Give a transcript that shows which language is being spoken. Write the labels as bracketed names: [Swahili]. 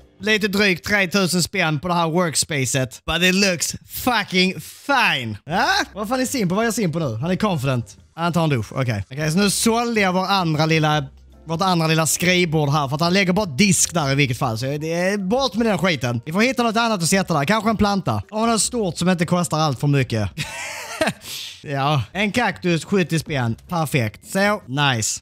[Swedish] lite drygt 3000 spänn på det här workspacet. [English] But it looks fucking fine. [Swedish] Ja? Vad fan är Simpo? Vad är Simpo nu? Han är confident. Han tar en dusch. Okej. Okay. Okej, okay, så nu sålde jag vårt andra lilla skrivbord här. För att han lägger bara disk där i vilket fall. Så det är bort med den skiten. Vi får hitta något annat att sätta där. Kanske en planta. Och något stort som inte kostar allt för mycket. Ja. En kaktus, 70 spänn. Perfekt. Så, nice.